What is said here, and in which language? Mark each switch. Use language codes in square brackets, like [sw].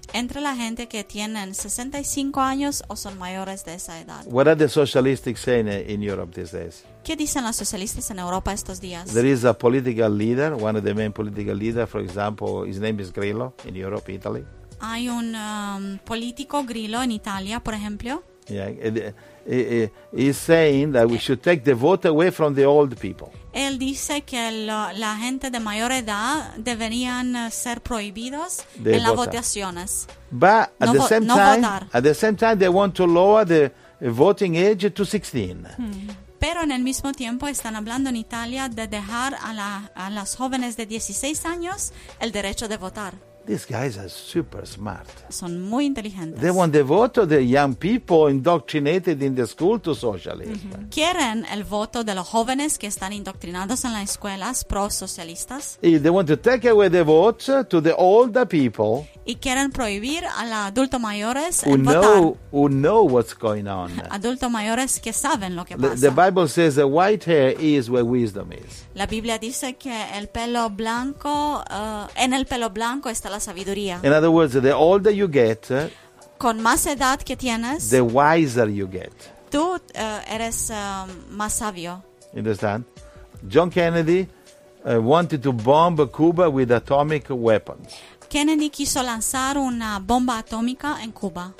[es] Entre la gente que tienen 65 años o son mayores de esa edad. [en] What are the socialists saying in Europe these days? [es] ¿Qué dicen los socialistas en Europa estos días? [en] There is a political leader, one of the main political leaders, for example, his name is Grillo in Europe, Italy. [es] Hay un político Grillo en Italia, por ejemplo. [en] Yeah, he's saying that we should take the vote away from the old people. [es] Él dice que la gente de mayor edad deberían ser prohibidos de en las votaciones. [en] But at the same time, they want to lower the voting age to 16. [es] pero en el mismo tiempo están hablando en Italia de dejar a las jóvenes de 16 años el derecho de votar. [en] These guys are super smart. [es] Son muy inteligentes. [en] They want the vote of the young people indoctrinated in the school to socialism. Mm-hmm. [es] Quieren el voto de los jóvenes que están indoctrinados en las escuelas pro-socialistas. [en] And they want to take away the vote to the older people. [es] Y quieren prohibir a los adultos mayores el votar. [en] Who know what's going on. [es] Adultos mayores que saben lo que pasa. [en] The Bible says the white hair is where wisdom is. [es] La Biblia dice que el pelo blanco, en el pelo blanco está la sabiduría. [en] In other words, the older you get, [es] con más edad que tienes, [en] the wiser you get. [es] Tú eres más sabio. [en] Understand? John Kennedy wanted to bomb Cuba with atomic weapons. [es] Kennedy quiso lanzar una bomba atómica en Cuba.